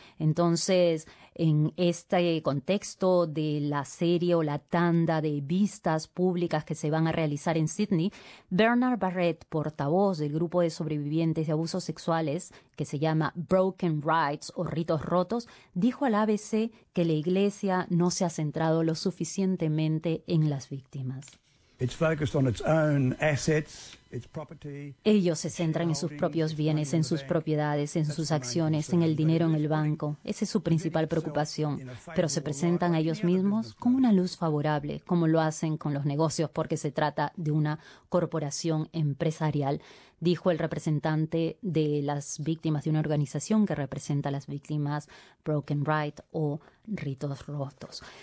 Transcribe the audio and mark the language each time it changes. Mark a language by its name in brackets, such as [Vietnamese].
[Spanish] Entonces, en este contexto de la serie o la tanda de vistas públicas que se van a realizar en Sydney, Bernard Barrett, portavoz del grupo de sobrevivientes de abusos sexuales, que se llama Broken Rites o Ritos Rotos, dijo al ABC que la Iglesia no se ha centrado lo suficientemente en las víctimas. [English] It's focused on its own assets, its property. [Spanish] Ellos se centran en sus propios bienes, en sus propiedades, en sus acciones, en el dinero en el banco. Esa es su principal preocupación. Pero se presentan a ellos mismos con una luz favorable, como lo hacen con los negocios, porque se trata de una corporación empresarial, dijo el representante de las víctimas de una organización que representa a las víctimas Broken Rites o Ritos Rotos.